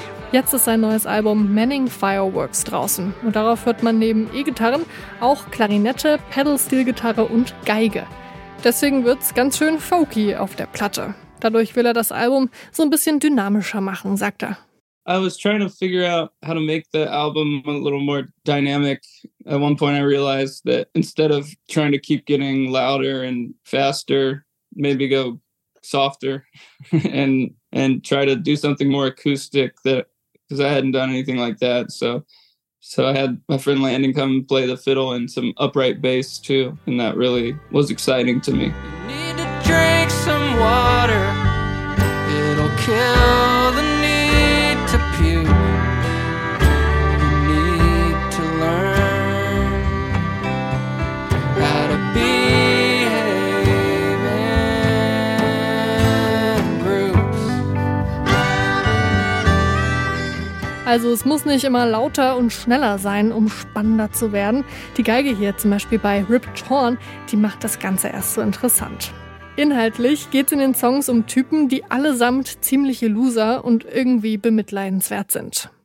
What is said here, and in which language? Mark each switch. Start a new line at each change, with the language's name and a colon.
German: Jetzt ist sein neues Album Manning Fireworks draußen. Und darauf hört man neben E-Gitarren auch Klarinette, Pedal-Steel-Gitarre und Geige. Deswegen wird's ganz schön folky auf der Platte. Dadurch will er das Album so ein bisschen dynamischer machen, sagt er.
English: I was trying to figure out how to make the album a little more dynamic. At one point, I realized that instead of trying to keep getting louder and faster, maybe go softer and try to do something more acoustic, that because I hadn't done anything like that. So I had my friend Landon come play the fiddle and some upright bass too, and that really was exciting to me. You need to drink some water. It'll kill the need to puke. You need to learn how to behave in groups.
German: Also, es muss nicht immer lauter und schneller sein, um spannender zu werden. Die Geige hier zum Beispiel bei Ripped Horn, die macht das Ganze erst so interessant. Inhaltlich geht es in den Songs um Typen, die allesamt ziemliche Loser und irgendwie bemitleidenswert sind.